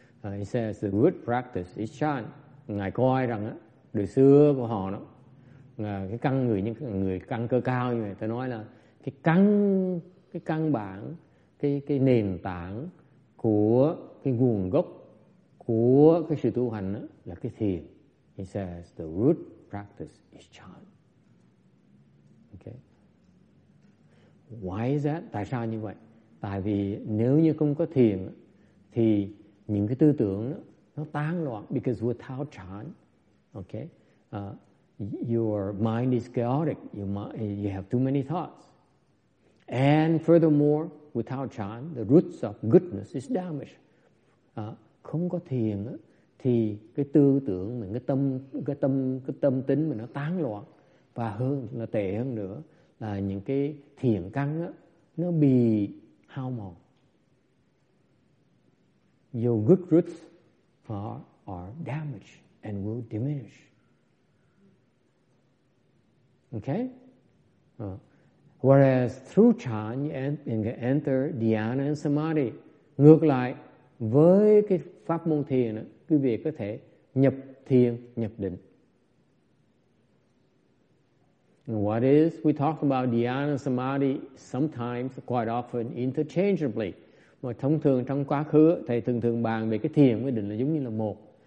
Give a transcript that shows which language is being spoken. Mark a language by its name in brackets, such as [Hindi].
[English] He says the good practice is Chan. [Vietnamese] Ngài coi rằng đó, đời xưa của họ đó, cái căn người, những người căn cơ cao, người ta nói là cái căn bản cái nền tảng của cái nguồn gốc của cái sự tu hành đó, là cái thiền. [English] He says the root practice is Chan. Okay. Why is that? [Vietnamese] Tại sao như vậy? Tại vì nếu như không có thiền thì những cái tư tưởng đó, nó tán loạn. [English] Because without Chan, okay, your mind is chaotic. You have too many thoughts. And furthermore, without Chan, the roots of goodness is damaged. [Vietnamese] Không có thiền đó, thì cái tư tưởng mình, cái tâm tính mình nó tán loạn, và hơn là tệ hơn nữa là những cái thiền căn đó, nó bị hao mòn. [English] Your good roots are damaged and will diminish. Okay? Whereas through Chan you enter Dhyana and Samadhi. [Vietnamese] Ngược lại, với cái pháp môn thiền đó, quý vị có thể nhập thiền, nhập định. [English] What is? We talk about Dhyana and Samadhi sometimes, quite often, interchangeably. [Vietnamese] Mà thông thường trong quá khứ, thầy thường thường bàn về cái thiền với định là giống như là một.